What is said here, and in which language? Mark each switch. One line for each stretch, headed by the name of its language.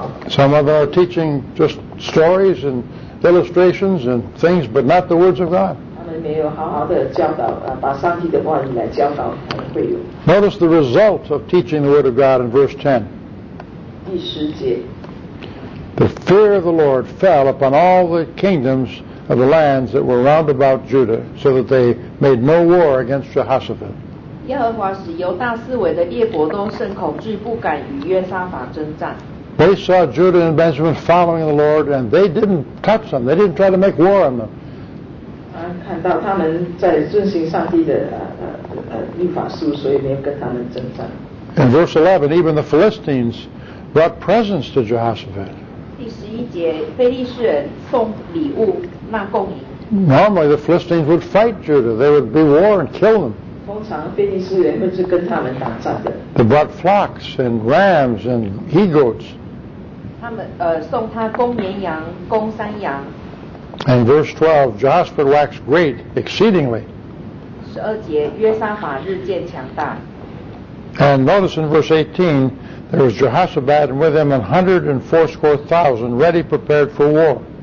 English: Some of them are teaching just stories and illustrations and things, but not the words of God.
Chinese: 没有好好的教导、把上帝的话语来教导他的会友。
English: Notice the result of teaching the word of God in verse 10.
Chinese: 第十节。
English: The fear of the Lord fell upon all the kingdoms of the lands that were round about Judah, so that they made no war against Jehoshaphat.
Chinese: 耶和华使犹大四围的列国都甚恐惧，不敢与约沙法征战。
English: They saw Judah and Benjamin following the Lord, and they didn't touch them. They didn't try to make war on them.
Chinese: 看到他们在遵行上帝的律法书，所以没有跟他们征战。
English: In verse 11, even the Philistines brought presents to Jehoshaphat.
Chinese: 第十一节，非利士人送礼物纳贡
English: 银。Normally, the Philistines would fight Judah. They would be war and kill them.
Chinese: 通常非利士人会是跟他们打仗的。
English: They brought flocks and rams and he goats.
Chinese: 他们送他公绵羊、公山羊。
English: In verse 12, Jehoshaphat waxed great exceedingly.
Chinese: 十二节，约沙法日渐强大。
English: And notice in verse 18. There was Jehoshaphat and with him 144,000 ready prepared for war.